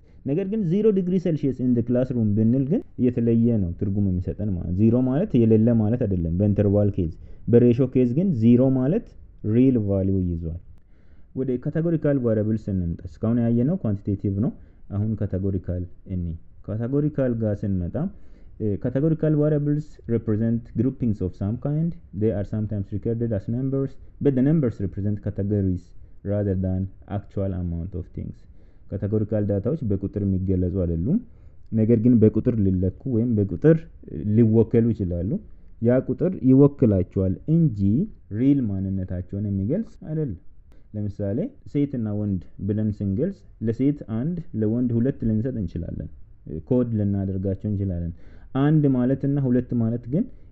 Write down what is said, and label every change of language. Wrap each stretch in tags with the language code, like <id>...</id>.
<am>ነገር ግን 0 ዲግሪ ሴልሺየስ</am> <en>in the classroom</en> <am>ብንል ግን የተለየ ነው ትርጉም የሚሰጠን ማለት 0 ማለት የሌለ ማለት አይደለም። በinterval case በratio case ግን 0 ማለት real value ይዟል። ወደ</am> <en>categorical variables እንመጣ። እስካሁን ያየነው quantitative ነው አሁን categorical እንይ። categorical ጋር ስንመጣ categorical variables represent groupings of some kind. they are sometimes recorded as numbers but the numbers represent categories rather than actual amount of things.</en> <am>categorical dataዎች በቁጥር የሚገለጹ አይደሉም ነገር ግን በቁጥር ሊለኩ ወይም በቁጥር ሊወከሉ ይችላሉ። ያ ቁጥር ይወክላቸዋል እንጂ real ማንነታቸውን የሚገልጽ አይደለም። ለምሳሌ ሴት እና ወንድ ብለን ስንገልጽ ለሴት 1 ለወንድ 2 ልንሰጥ እንችላለን ኮድ ልናደርጋቸው እንችላለን። 1 ማለት እና 2 ማለት ግን</am>